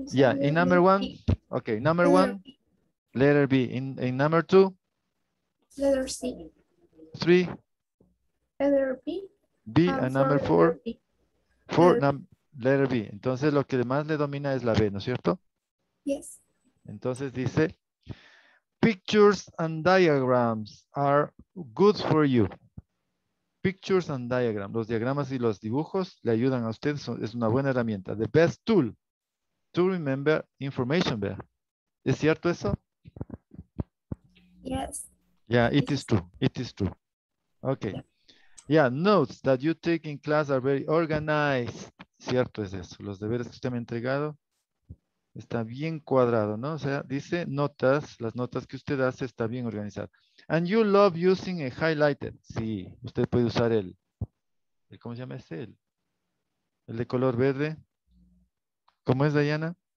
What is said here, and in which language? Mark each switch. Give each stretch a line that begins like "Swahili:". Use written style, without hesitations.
English: Ya, yeah, en number one. B. Ok, number letter one. B. Letter B. En number two. Letter C. Three. Letter B. B, and number four. Letter B.
Spanish: Entonces, lo que más le domina es la B, ¿no es cierto?
English: Yes.
Spanish: Entonces dice,
English: pictures and diagrams are good for you. Pictures and diagrams.
Spanish: Los diagramas y los dibujos le ayudan a usted. Es una buena herramienta.
English: The best tool to remember information.
Spanish: ¿Es cierto eso?
English: Yes. Yeah, it is true. Okay. Yeah, notes that you take in class are very organized.
Spanish: Cierto es eso. Los deberes que usted me ha entregado. Está bien cuadrado, ¿no? O sea, dice notas, las notas que usted hace está bien organizada.
English: And you love using a highlighted.
Spanish: Sí, usted puede usar el ¿cómo se llama ese? El de color verde. ¿Cómo es, Dayana?